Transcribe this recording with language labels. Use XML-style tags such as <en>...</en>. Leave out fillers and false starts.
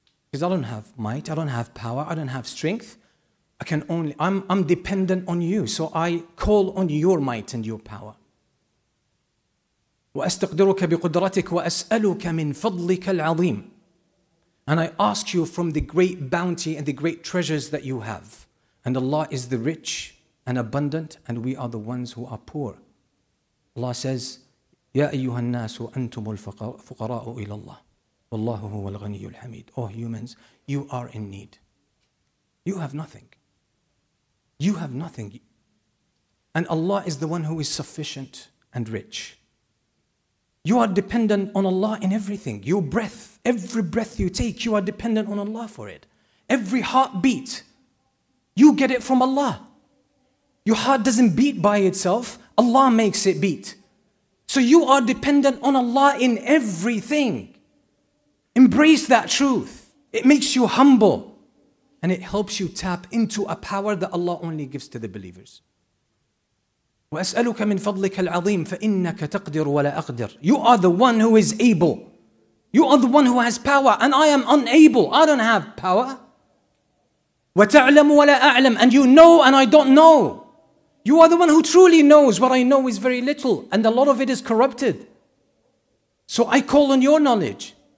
<en>Because I don't have might. I don't have power. I don't have strength. I'm dependent on you, so I call on your might and your power.</en> <ar>وَأَسْتَقْدِرُكَ بِقُدْرَتِكَ وَأَسْأَلُكَ مِنْ فَضْلِكَ الْعَظِيمِ.</ar> <en>And I ask you from the great bounty and the great treasures that you have. And Allah is the rich and abundant, and we are the ones who are poor. Allah says,</en> <ar>يَا أَيُّهَا النَّاسُ أَنْتُمُ الْفُقَرَاءُ إِلَى اللَّهِ وَاللَّهُ هُوَ الْغَنِيُّ الْحَمِيدُ.</ar> <en>Oh humans, you are in need. You have nothing. You have nothing. And Allah is the one who is sufficient and rich. You are dependent on Allah in everything. Your breath, every breath you take, you are dependent on Allah for it. Every heartbeat, you get it from Allah. Your heart doesn't beat by itself. Allah makes it beat. So you are dependent on Allah in everything. Embrace that truth. It makes you humble. And it helps you tap into a power that Allah only gives to the believers.</en> <ar>وَأَسْأَلُكَ مِنْ فَضْلِكَ الْعَظِيمِ فَإِنَّكَ تَقْدِرُ وَلَا أَقْدِرُ.</ar> <en>You are the one who is able. You are the one who has power, and I am unable. I don't have power.</en> <ar>وَتَعْلَمُ وَلَا أَعْلَمُ</ar> <en>And you know and I don't know. You are the one who truly knows. What I know is very little, and a lot of it is corrupted. So I call on your knowledge.</en>